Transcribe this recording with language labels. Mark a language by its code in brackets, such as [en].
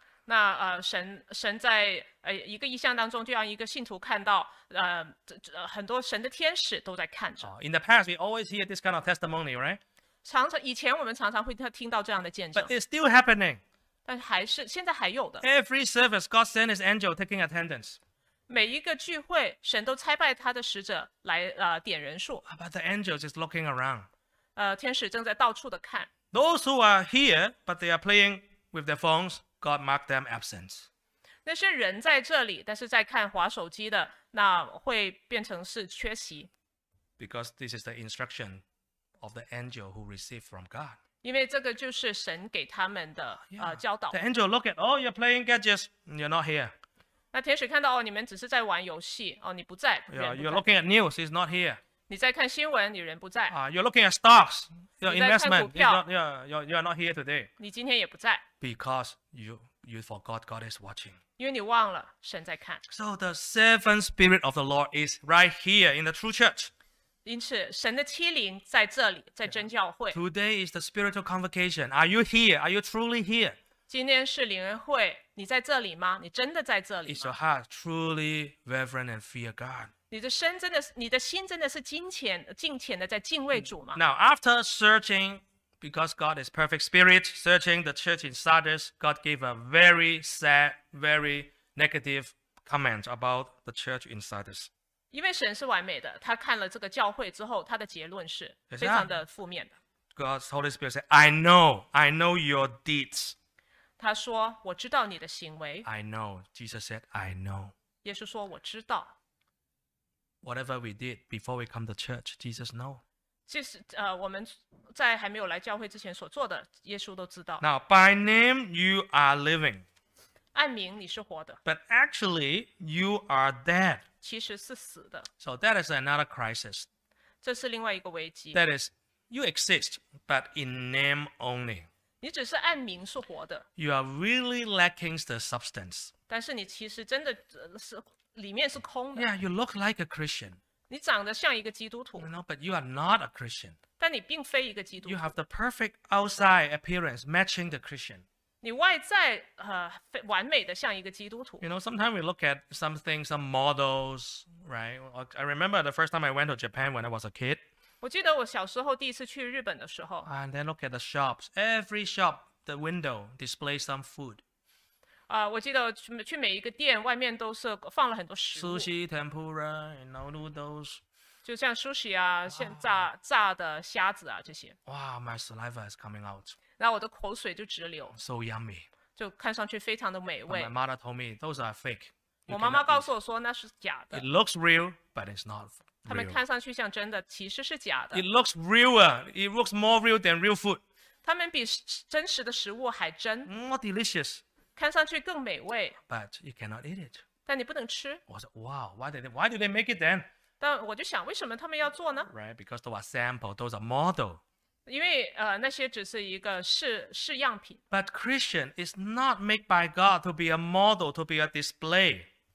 [zh] 那神在一个异象当中，就让一个信徒看到很多神的天使都在看着。 [en] In the past, we always hear this kind of testimony, right? [zh] 以前我们常常会听到这样的见证。 [en] But it's still happening. [zh] 但还是现在还有的。 [en] Every service, God sent His angel taking attendance. [zh] 每一个聚会，神都差派他的使者来点人数。 [en] But the angels is looking around. [zh] 天使正在到处的看。 [en] Those who are here, but they are playing with their phones, God marked them absent. [zh] 那些人在这里，但是在看滑手机的，那会变成是缺席。 [en] Because this is the instruction of the angel who received from God. [zh] 因为这个就是神给他们的教导。 [en] The angel look at, oh, you're playing gadgets, you're not here. [zh] 那天使看到，哦，你们只是在玩游戏，哦，你不在。 [en] Yeah, you're looking at news, he's not here. [zh] 你在看新闻，你人不在。 [en] You're looking at stocks, your investment. You're not here today. [zh] 你今天也不在。 [en] Because you forgot God is watching. [zh] 因为你忘了神在看。 [en] So the seven spirit of the Lord is right here in the true church. [zh] 因此，神的七灵在这里，在真教会。 [en] Yeah. Today is the spiritual convocation. Are you here? Are you truly here? [zh] 今天是灵恩会，你在这里吗？你真的在这里吗？ [en] Is your heart truly reverent and fear God? [zh] 你的心真的是敬虔的在敬畏主吗 [en] Now after searching, because God is perfect spirit, searching the church in Sardis, God gave a very sad, very negative comment about the church in Sardis. [zh] 因为神是完美的，他看了这个教会之后，他的结论是非常的负面的。 [en] God's Holy Spirit said, I know your deeds. [zh] 他说我知道你的行为。 [en] I know, Jesus said, I know. [zh] 耶稣说我知道。 [en] Whatever we did before we come to church, Jesus know. [zh] 其实我们在还没有来教会之前所做的，耶稣都知道。 [en] Now, by name you are living. [zh] 按名你是活的。 [en] But actually, you are dead. [zh] 其实是死的。 [en] So that is another crisis. [zh] 这是另外一个危机。 [en] That is, you exist, but in name only. [zh] 你只是按名是活的。 [en] You are really lacking the substance. [zh] 但是你其实真的是里面是空的。 [en] Yeah, you look like a Christian. [zh] 你长得像一个基督徒。 [en] No, but you are not a Christian. [zh] 但你并非一个基督徒。 [en] You have the perfect outside appearance matching the Christian. [zh] 你外在完美的像一个基督徒。 [en] You know, sometimes we look at something, some models, right? I remember the first time I went to Japan when I was a kid. [zh] 我记得我小时候第一次去日本的时候。 [en] And then look at the shops. Every shop, the window displays some food. [zh] 我记得去每一个店，外面都是放了很多食物。 [en] Sushi, tempura, you know, noodles. [zh] 就像 sushi 啊，像炸的虾子啊这些。 [en] Wow, my saliva is coming out. [zh] 然后我的口水就直流。 [en] So yummy. [zh] 就看上去非常的美味。 [en] But my mother told me those are fake. [zh] 我妈妈告诉我说那是假的。 [en] It looks real, but it's not. [zh] 他们看上去像真的，其实是假的。 [en] It looks realer. It looks more real than real food. [zh] 他们比真实的食物还真。 [en] More delicious. [zh] 看上去更美味。 [en] But you cannot eat it. [zh] 但你不能吃。我说 [en] ，Wow, why do they make it then? [zh] 但我就想，为什么他们要做呢 [en] ？Right, because those are sample, those are model. [zh] 因为那些只是一个试样品。 [en] But Christian is not made by God to be a model, to be a display.